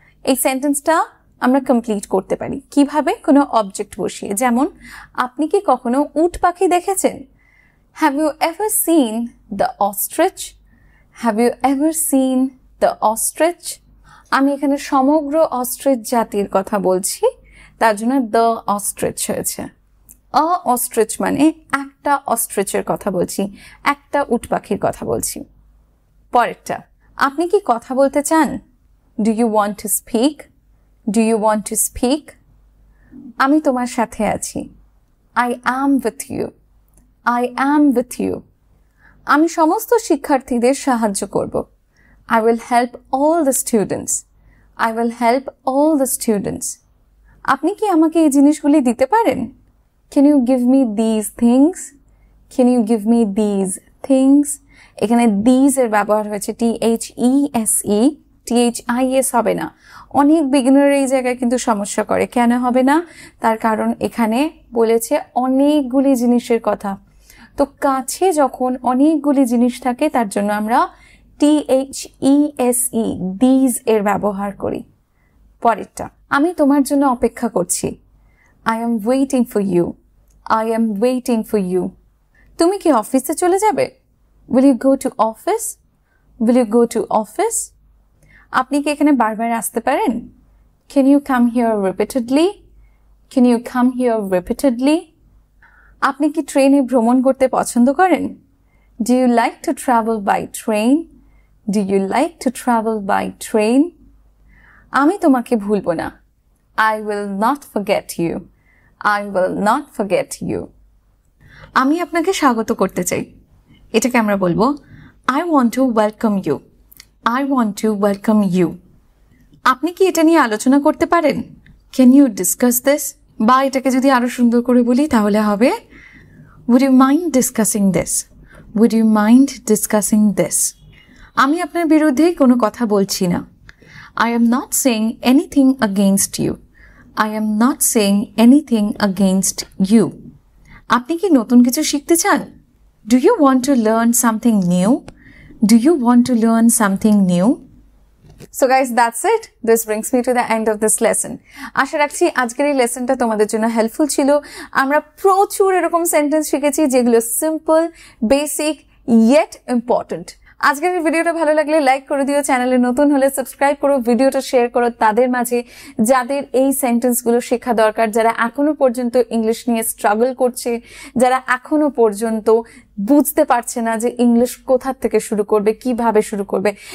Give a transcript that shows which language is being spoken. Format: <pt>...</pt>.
<bn>এই সেন্টেন্সটা আমরা কমপ্লিট করতে পারি কিভাবে? কোনো অবজেক্ট বসিয়ে। যেমন, আপনি কি কখনো উট পাখি দেখেছেন?</bn> <en>Have you ever seen the ostrich? Have you ever seen the ostrich?</en> <bn>আমি এখানে সমগ্র অস্ট্রিচ জাতির কথা বলছি, তার জন্য দ্য অস্ট্রিচ হয়েছে। অ অস্ট্রিচ মানে একটা অস্ট্রিচের কথা বলছি, একটা উট পাখির কথা বলছি। পরেরটা, আপনি কি কথা বলতে চান?</bn> <en>Do you want to speak? Do you want to speak?</en> <bn>আমি তোমার সাথে আছি।</bn> <en>I am with you. I am with you.</en> <bn>আমি সমস্ত শিক্ষার্থীদের সাহায্য করব।</bn> <en>I will help all the students. I will help all the students.</en> <bn>আপনি কি আমাকে এই জিনিসগুলি দিতে পারেন?</bn> <en>Can you give me these things? Can you give me these things?</en> <bn>এখানে দিজ এর ব্যবহার হয়েছে, THESE, THIS হবে না। অনেক বিগিনার এই জায়গায় কিন্তু সমস্যা করে, কেন হবে না? তার কারণ এখানে বলেছে অনেকগুলি জিনিসের কথা, তো কাছে যখন অনেকগুলি জিনিস থাকে তার জন্য আমরা THESE, দিজ এর ব্যবহার করি। পরেরটা, আমি তোমার জন্য অপেক্ষা করছি।</bn> <en>I am waiting for you. I am waiting for you.</en> <bn>তুমি কি অফিসে চলে যাবে?</bn> <en>Will you go to office? Will you go to office?</en> <bn>আপনি কি এখানে বারবার আসতে পারেন?</bn> <en>Can you come here repeatedly? Can you come here repeatedly?</en> <bn>আপনি কি ট্রেনে ভ্রমণ করতে পছন্দ করেন?</bn> <en>Do you like to travel by train? Do you like to travel by train?</en> <bn>আমি তোমাকে ভুলবো না।</bn> <en>I will not forget you. I will not forget you.</en> <bn>আমি আপনাকে স্বাগত করতে চাই। এটাকে আমরা বলবো</bn> <en>I want to welcome you.</en> <bn>I want to welcome you. আপনি কি এটা নিয়ে আলোচনা করতে পারেন?</bn> <en>Can you discuss this?</en> <bn>বা এটাকে যদি আরও সুন্দর করে বলি তাহলে হবে</bn> <en>Would you mind discussing this? would you mind discussing this?</en> <bn>আমি আপনার বিরুদ্ধে কোনো কথা বলছি না.</bn> <en>I am not saying anything against you. I am not saying anything against you.</en> <bn>আপনি কি নতুন কিছু শিখতে চান?</bn> <en>Do you want to learn something new? Do you want to learn something new? So guys, that's it. This brings me to the end of this lesson.</en> <bn>আশা রাখছি আজকের এই লেসনটা তোমাদের জন্য হেল্পফুল ছিল. আমরা প্রচুর এরকম সেন্টেন্স শিখেছি যেগুলো সিম্পল, বেসিক, ইয়েট ইম্পর্টেন্ট. আজকের ভিডিওটা ভালো লাগলে লাইক করে দিও, চ্যানেলে নতুন হলে সাবস্ক্রাইব করো, ভিডিওটা শেয়ার করো তাদের মাঝে যাদের এই সেন্টেন্সগুলো শেখা দরকার, যারা এখনও পর্যন্ত ইংলিশ নিয়ে স্ট্রাগল করছে, যারা এখনও পর্যন্ত বুঝতে পারছে না যে ইংলিশ কোথার থেকে শুরু করবে, কিভাবে শুরু করবে.</bn>